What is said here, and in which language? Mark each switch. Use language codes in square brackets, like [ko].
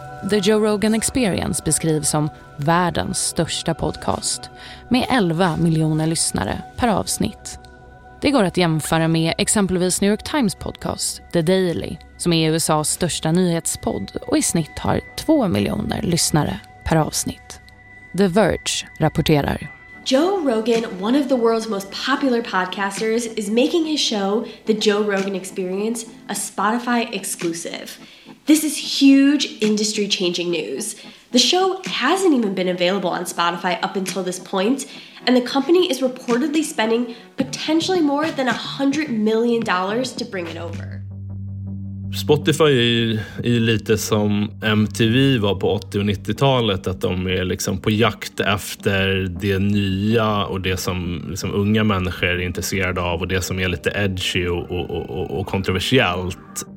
[sv] The Joe Rogan Experience beskrivs som världens största podcast med 11 miljoner lyssnare per avsnitt. Det går att jämföra med exempelvis New York Times podcast The Daily, som är USA:s största nyhetspodd och i snitt har 2 miljoner lyssnare per avsnitt. The Verge rapporterar: [en] Joe Rogan, one of the world's most popular podcasters, is making his show The Joe Rogan Experience a Spotify exclusive. This is huge industry-changing news. The show hasn't even been available on Spotify up until this point, and the company is reportedly spending potentially more than $100 million to bring it over. [sv] Spotify är lite som MTV var på 80- och 90-talet, att de är liksom på jakt efter det nya och det som liksom unga människor är intresserade av och det som är lite edgy och kontroversiellt.